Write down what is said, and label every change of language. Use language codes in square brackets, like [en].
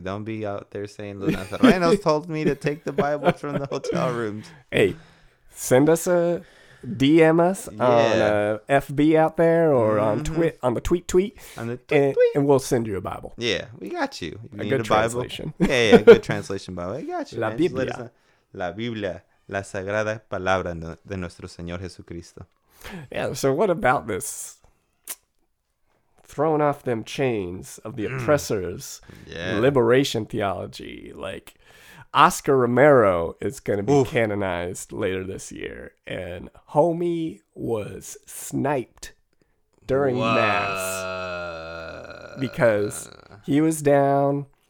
[en] Don't be out there saying, Los Nazarenos told me to take the Bibles from the hotel rooms. Hey, send us a... DM us on FB out there or on the tweet, and we'll send you a Bible. Yeah, we got you. A good translation. Yeah, good translation Bible. I got you. [es] La Biblia. La Biblia, la Sagrada Palabra de nuestro Señor Jesucristo. [en] Yeah, so what about this? Throwing off them chains of the oppressors, liberation theology, like... Oscar Romero is going to be canonized later this year. And homie was sniped during mass because he was down.